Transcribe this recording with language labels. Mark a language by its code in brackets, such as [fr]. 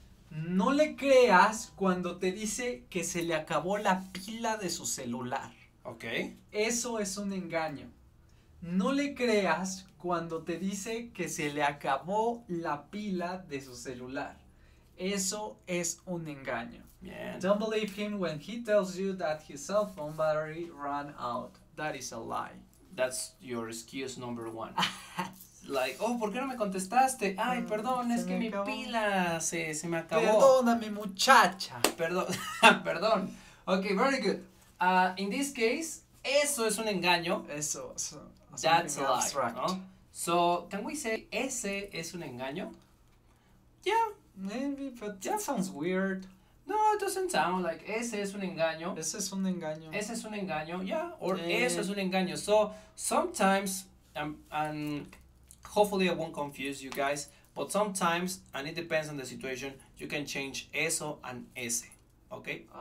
[es] no le creas cuando te dice que se le acabó la pila de su celular. [en] Okay. [es] Eso es un engaño. No le creas cuando te dice que se le acabó la pila de su celular. Eso es un engaño. Bien. [en] Don't believe him when he tells you that his cell phone battery ran out. That is a lie. That's your excuse number one. Like, oh, [es] ¿por qué no me contestaste? Ay, perdón, es que mi pila se me acabó. Perdóname, muchacha. [en] Perdón. Okay, very good. In this case, [es] eso es un engaño. Eso, [en] that's a lie, no? So, can we say [es] ese es un engaño? [en] Yeah, maybe, but that sounds weird. No, it doesn't sound like [es] ese es un engaño. Ese es un engaño. Ese es un engaño, [en] yeah, or [es] eso es un engaño. [en] So, sometimes, and hopefully I won't confuse you guys, but sometimes, and it depends on the situation, you can change eso and ese, okay?